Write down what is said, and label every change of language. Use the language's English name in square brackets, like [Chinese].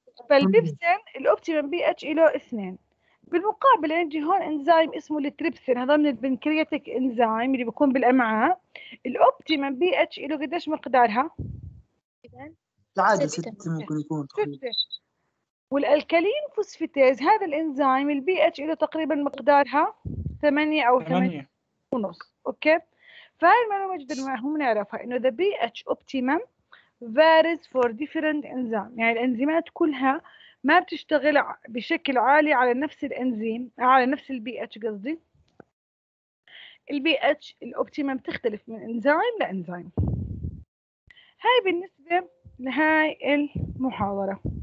[Arabic] فالبيبسين الأوبتيمم بي اتش له 2. بالمقابل عندي هون إنزيم اسمه التريبسين، هذا من البنكرياتيك إنزيم اللي بيكون بالأمعاء. الأوبتيمم بي اتش له قديش مقدارها؟ العادة 6 ممكن يكون تقريبا. والألكالين فوسفيتاز هذا الإنزيم البي اتش له تقريبا مقدارها 8 أو 8 ونص. أوكي؟ فالمعلومة جدا مهم نعرفها إنه [English] the pH optimum varies for different enzymes. [Arabic] يعني الإنزيمات كلها ما بتشتغل بشكل عالي على نفس الإنزيم على نفس ال pH قصدي. ال pH optimum تختلف من إنزيم لإنزيم. هاي بالنسبة لهاي المحاضرة.